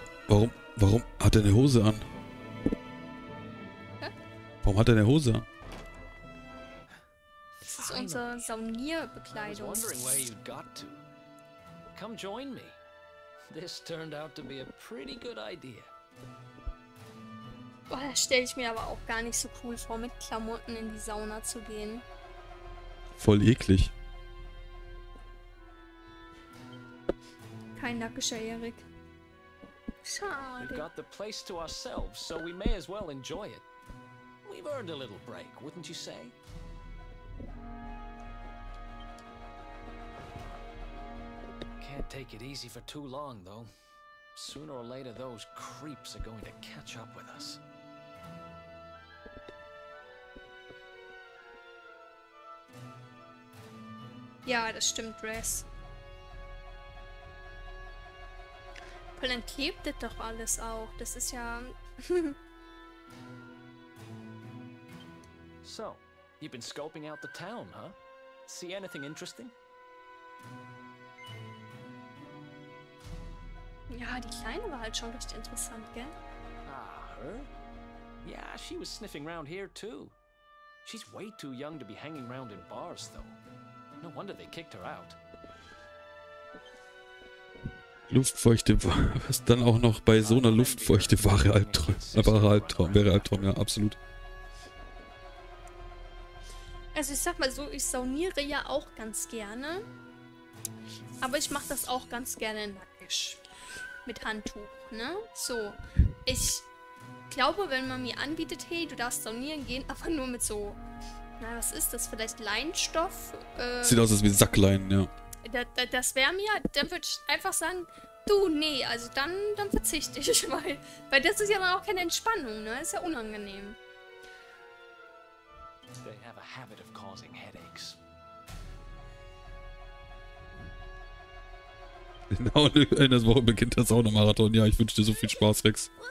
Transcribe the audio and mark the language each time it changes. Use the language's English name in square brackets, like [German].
[German] Oh, warum hat er eine Hose an? Hä? Warum hat er eine Hose an? Das ist unsere Saunierbekleidung. Ich war gewundert, wo du gehst. [English] Komm, join me. This turned out to be a pretty good idea. [German] Boah, das stelle ich mir aber auch gar nicht so cool vor, mit Klamotten in die Sauna zu gehen. Voll eklig. Kein nackischer Erik. Schade. [English] We've got the place to ourselves, so we may as well enjoy it. We've earned a little break, wouldn't you say? Can't take it easy for too long, though. Sooner or later, those creeps are going to catch up with us. [German] Ja, das stimmt, Res. Und dann klebt das doch alles auch. Das ist ja... [English] So, you've been scoping out the town, huh? See anything interesting? [German] Ja, die Kleine war halt schon recht interessant, gell? [English] Ah, her? Yeah, she was sniffing around here too. She's way too young to be hanging around in bars, though. No wonder they kicked her out. [German] Luftfeuchte Ware, was dann auch noch bei so einer Luftfeuchte Ware Albtraum, ja, absolut. Also ich sag mal so, ich sauniere ja auch ganz gerne. Aber ich mach das auch ganz gerne nackig. Mit Handtuch, ne? So. Ich glaube, wenn man mir anbietet, hey, du darfst saunieren gehen, aber nur mit so... Na, was ist das? Vielleicht Leinstoff? Sieht aus wie Sackleinen, ja. Das wäre mir... Dann würde ich einfach sagen, du, nee, also dann verzichte ich, weil das ist ja dann auch keine Entspannung, ne? Ist ja unangenehm. [English] They have a habit of causing headaches. [German] Genau, in der Woche beginnt der Sauna-Marathon. Ja, ich wünsche dir so viel Spaß, Rex.